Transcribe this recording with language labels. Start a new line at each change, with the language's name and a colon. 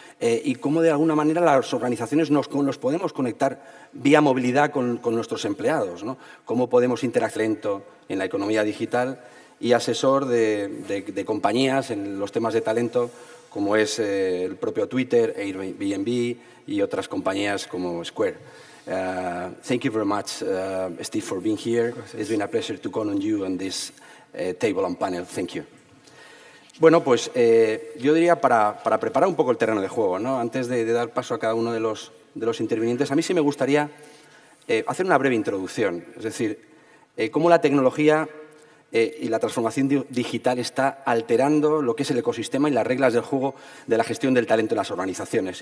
Spanish: Y cómo de alguna manera las organizaciones nos podemos conectar vía movilidad con nuestros empleados, ¿no? Cómo podemos interactuar en la economía digital y asesor de compañías en los temas de talento, como es el propio Twitter, Airbnb y otras compañías como Square.
English: Thank you very much, Steve, for being here. It's been a pleasure to count on you on this table and panel. Thank you.
Spanish: Bueno, pues yo diría para preparar un poco el terreno de juego, ¿no? Antes de dar paso a cada uno de los intervinientes, a mí sí me gustaría hacer una breve introducción. Es decir, cómo la tecnología y la transformación digital está alterando lo que es el ecosistema y las reglas del juego de la gestión del talento en las organizaciones.